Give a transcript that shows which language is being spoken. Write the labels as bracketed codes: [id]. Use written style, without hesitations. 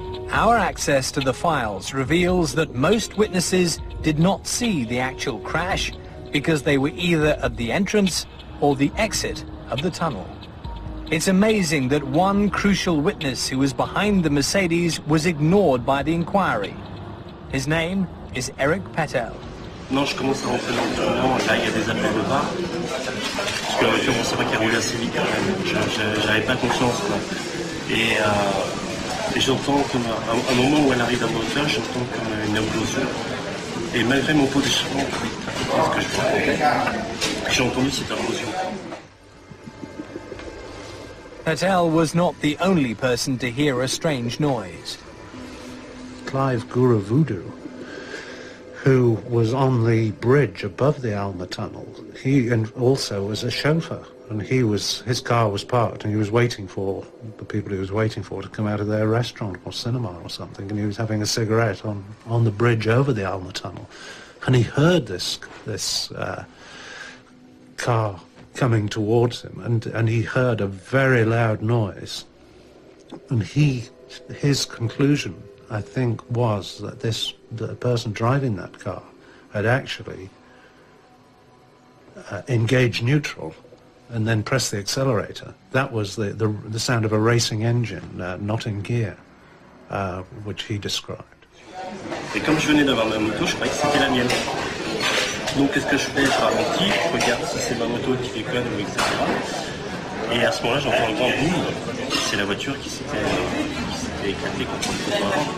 [en] Our access to the files reveals that most witnesses did not see the actual crash because they were either at the entrance or the exit of the tunnel. It's amazing that one crucial witness who was behind the Mercedes was ignored by the inquiry. His name is Eric Patel. [fr] Non, je commence à rentrer dans le tournant, là il y a des appels de bar. Parce que la voiture, on ne sait pas qui a roulé assez vite quand même. J'avais pas conscience, quoi. Et j'entends comme un moment où elle arrive à mon hauteur, j'entends comme une implosion. Et malgré mon positionnement, qu'est-ce que je vois, j'ai entendu cette implosion. [en] Patel was not the only person to hear a strange noise. Clive Gouravoudou, who was on the bridge above the Alma Tunnel, he and also was a chauffeur, and he was, his car was parked, and he was waiting for the people he was waiting for to come out of their restaurant or cinema or something, and he was having a cigarette on the bridge over the Alma Tunnel, and he heard this car coming towards him, and he heard a very loud noise, and his conclusion, I think, was that the person driving that car had actually engaged neutral and then pressed the accelerator. That was the sound of a racing engine not in gear, which he described. [fr] Et comme je venais d'avoir ma moto, je croyais que c'était la mienne. Donc qu'est-ce que je fais? Je ralentis, je regarde si c'est ma moto qui fait conne, etc. Et à ce moment-là, j'entends un grand boom. C'est la voiture qui s'était éclatée contre le trottoir.